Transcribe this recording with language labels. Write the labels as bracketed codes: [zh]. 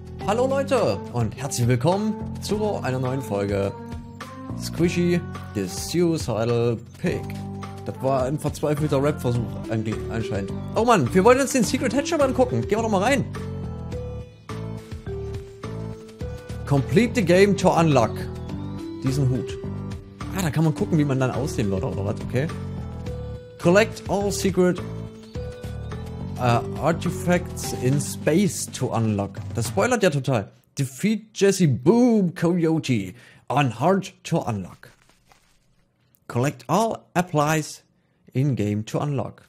[de] Hallo Leute und herzlich willkommen zu einer neuen Folge Squishy the Suicidal Pig. Das war ein verzweifelter Rap-Versuch anscheinend. Oh Mann, wir wollen uns den Secret Hedgehog angucken. Gehen wir doch mal rein. [en] Complete the game to unlock. [de] Diesen Hut. Ah, da kann man gucken, wie man dann aussehen wird oder was, okay. [en] Collect all secret artifacts in space to unlock. [de] Das spoilert ja total. [en] Defeat Jesse Boom Coyote on hard to unlock. Collect all applies in game to unlock.